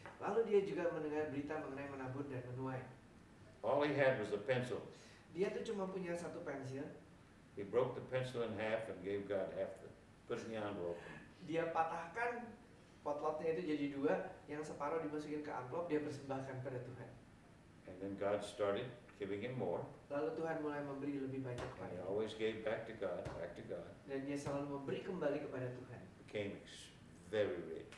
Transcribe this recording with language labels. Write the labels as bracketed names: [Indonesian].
[Indonesian] Lalu dia juga mendengar berita mengenai menabur dan menuai. [English] All he had was a pencil. [Indonesian] Dia tuh cuma punya satu pensil. [English] He broke the pencil in half and gave God half the, put it in the envelope. [Indonesian] Dia patahkan potlotnya itu jadi dua, yang separuh dimasukin ke amplop, dia persembahkan pada Tuhan. [English] And then God started giving him more. [Indonesian] Lalu Tuhan mulai memberi lebih banyak lagi. [English] He always gave back to God. [Indonesian] Dan dia selalu memberi kembali kepada Tuhan. [English] Became very rich.